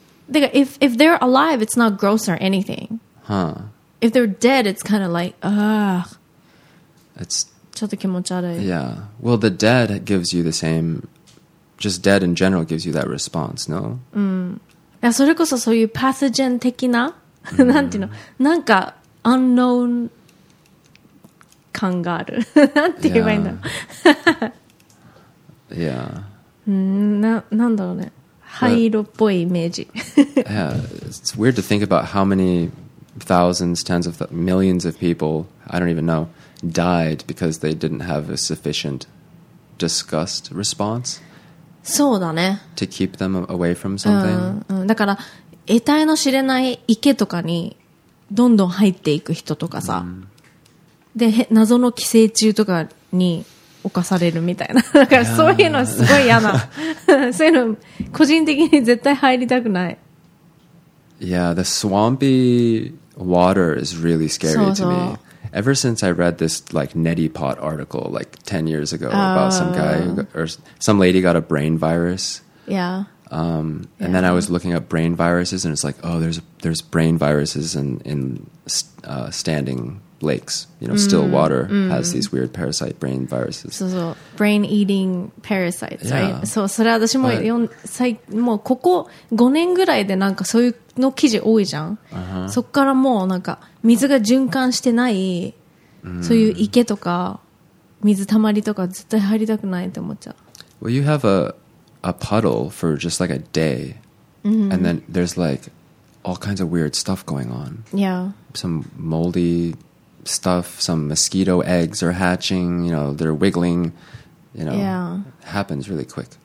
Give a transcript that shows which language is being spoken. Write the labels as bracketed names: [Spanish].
[Japanese] だから [English] if they're alive, it's not gross or anything. Huh. If they're dead, it's kind of like, ugh. It's... [Japanese] ちょっと気持ち悪い。 [English] Yeah. Well, the dead gives you the same... Just dead in general gives you that response, no? [Japanese] いや、それこそそういうパスジェン的な、なんていうの、なんか unknown感がある。なんて言えばいいんだろう。 [English] Yeah. [Japanese] なんだろうね。灰色っぽいイメージ。 [English] Yeah, it's weird to think about how many thousands, tens of millions of people, I don't even know, died because they didn't have a sufficient disgust response. [Japanese] そうだね。 [English] To keep them away from something. [Japanese] だから、得体の知れない池とかにどんどん入っていく人とかさ。で、謎の寄生虫とかに犯されるみたいな。だからそういうのすごい嫌な。そういうの個人的に絶対入りたくない。 [English] Yeah, the swampy water is really scary to me. Ever since I read this like Neti Pot article like 10 years ago about some guy or some lady got a brain virus. Yeah. And then I was looking up brain viruses and it's like, oh, there's brain viruses in standing lakes. You know, still water has these weird parasite brain viruses. So, so brain eating parasites, right? [Japanese] So, それ私も読ん、最、もうここ5年ぐらいでなんかそういうの記事多いじゃん。そっからもうなんか水が循環してない、そういう池とか水たまりとか絶対入りたくないって思っちゃう。 [English] Well, you have a puddle for just like a day, and then there's like all kinds of weird stuff going on. Yeah. Some moldy stuff, some mosquito eggs are hatching, you know, they're wiggling, you know. Yeah. Happens really quick.